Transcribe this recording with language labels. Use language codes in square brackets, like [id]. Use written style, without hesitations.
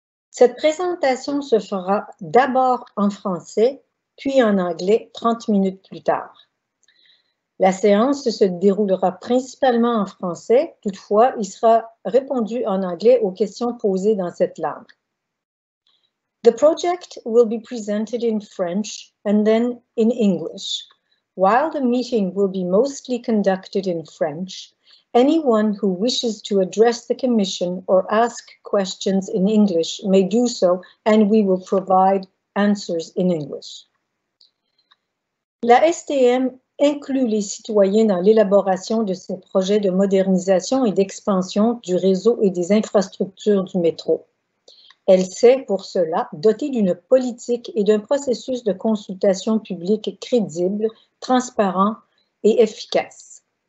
[fr] Cette présentation se fera d'abord en français, puis en anglais 30 minutes plus tard. La séance se déroulera principalement en français, toutefois, il sera répondu en anglais aux questions posées dans cette langue. [en] The project will be presented in French and then in English. While the meeting will be mostly conducted in French, anyone who wishes to address the Commission or ask questions in English may do so, and we will provide answers in English. [fr] La STM inclut les citoyens dans l'élaboration de ses projets de modernisation et d'expansion du réseau et des infrastructures du métro. Elle s'est, pour cela, dotée d'une politique et d'un processus de consultation publique crédible, transparent et efficace.